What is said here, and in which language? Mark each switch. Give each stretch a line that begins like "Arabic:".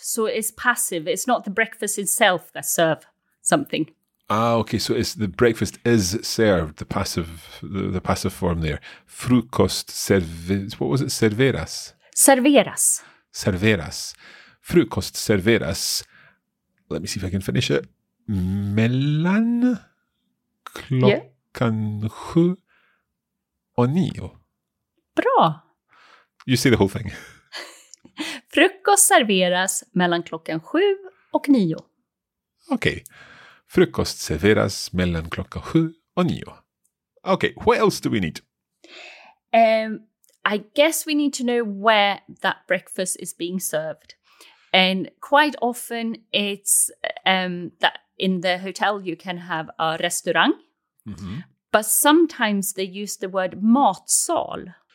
English: So it's passive. It's not the breakfast itself that serve something. Ah, okay. So it's the breakfast is served, the passive form there.
Swedish: Frukost serveras.
English: What was it?
Swedish: Serveras. Serveras. Serveras. Frukost serveras.
English: Let me see if I can finish it.
Swedish: Mellan klockan sju och nio. Bra.
English: You see the whole thing.
Swedish: Frukost serveras mellan klockan sju och nio.
English: Okay.
Swedish: Frukost serveras mellan klockan sju och nio.
English: Okay, what else do we need? I guess we need to know where that breakfast is being served. And quite often it's that in the hotel you can have a restaurant, but sometimes they use the word matsal.